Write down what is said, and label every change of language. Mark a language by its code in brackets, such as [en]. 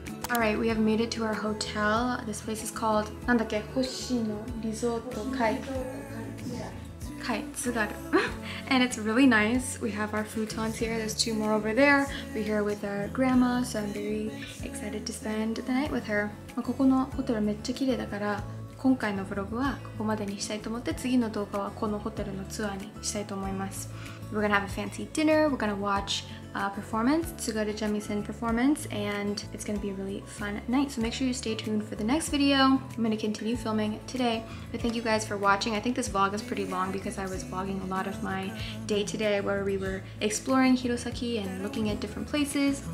[en] Alright, we have made it to our hotel. This place is called Nandake Hoshino Resort Kai. Kai, Tsugaru. And it's really nice. We have our futons here. There's two more over there. We're here with our grandma, so I'm very excited to spend the night with her. [ja] ここのホテルめっちゃ綺麗だから、今回のブログはここまでにしたいと思って、次の動画はこのホテルのツアーにしたいと思います。 [en] We're gonna have a fancy dinner. We're gonna watch a performance, Tsugaru Jemisin performance, and it's gonna be a really fun night. So make sure you stay tuned for the next video. I'm gonna continue filming today. But thank you guys for watching. I think this vlog is pretty long because I was vlogging a lot of my day today where we were exploring Hirosaki and looking at different places.